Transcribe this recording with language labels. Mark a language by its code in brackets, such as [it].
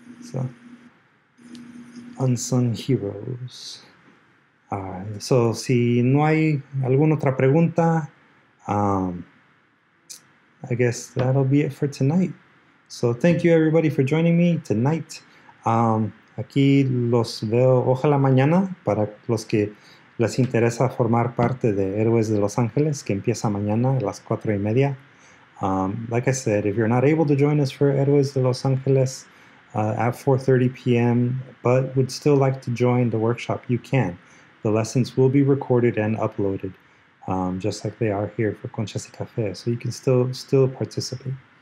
[en] So, unsung heroes. So, [es] si no hay alguna otra pregunta, [en] I guess that'll be it for tonight. So thank you everybody for joining me tonight. [es] Aquí los veo, ojalá mañana, para los que les interesa formar parte de Héroes de Los Ángeles, que empieza mañana a las 4:30. [en] Like I said, if you're not able to join us for Héroes de Los Ángeles at 4:30 p.m., but would still like to join the workshop, you can. The lessons will be recorded and uploaded. Just like they are here for Conchas y Café, so you can still participate.